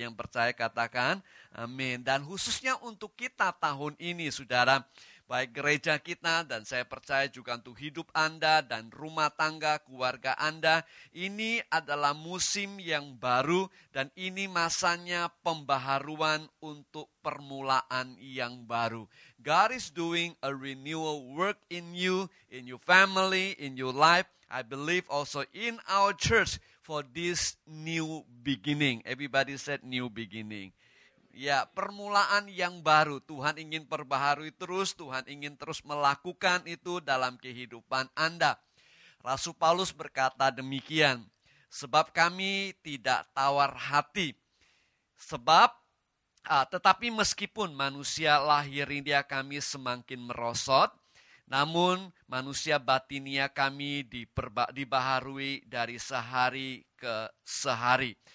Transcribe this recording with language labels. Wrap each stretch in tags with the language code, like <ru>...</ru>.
<id>Yang percaya katakan amin. Dan khususnya untuk kita tahun ini, saudara, baik gereja kita dan saya percaya juga untuk hidup Anda dan rumah tangga, keluarga Anda, ini adalah musim yang baru dan ini masanya pembaharuan untuk permulaan yang baru.</id> <en>God is doing a renewal work in your family, in your life, I believe also in our church for this new beginning. Everybody said new beginning.</en> <id>Ya, permulaan yang baru, Tuhan ingin perbaharui terus, Tuhan ingin terus melakukan itu dalam kehidupan Anda. Rasul Paulus berkata demikian, sebab kami tidak tawar hati, tetapi meskipun manusia lahirnya kami semakin merosot, namun manusia batinnya kami dibaharui dari sehari ke sehari.</id>